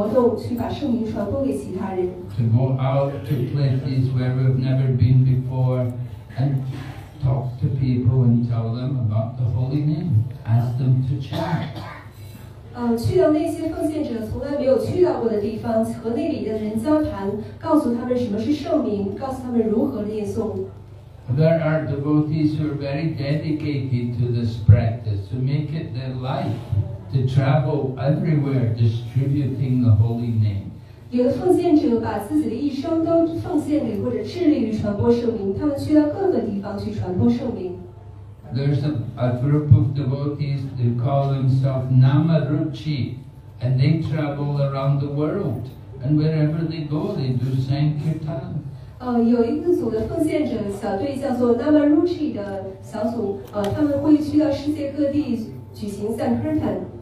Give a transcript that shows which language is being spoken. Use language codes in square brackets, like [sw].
[zh] 所以我们鼓励世界各个地方的人在这一周去传播圣名，去举办一些特别的活动，去把圣名传播给其他人。 [en] To go out to places where we've never been before and talk to people and tell them about the holy name, ask them to chant. [zh] 去到那些奉献者从来没有去到过的地方，和那里的人交谈，告诉他们什么是圣名，告诉他们如何念诵。 [en] There are devotees who are very dedicated to this practice, who make it their life to travel everywhere distributing the holy name. [zh] 有的奉献者把自己的一生都奉献给或者致力于传播圣名，他们去到各个地方去传播圣名。There's [en] a group of devotees who call themselves Namaruchi, and they travel around the world, and wherever they go, they do Sankirtan. [zh] 有一个组的奉献者小队叫做 Namaruchi 的小组，他们会去到世界各地举行 Sankirtan。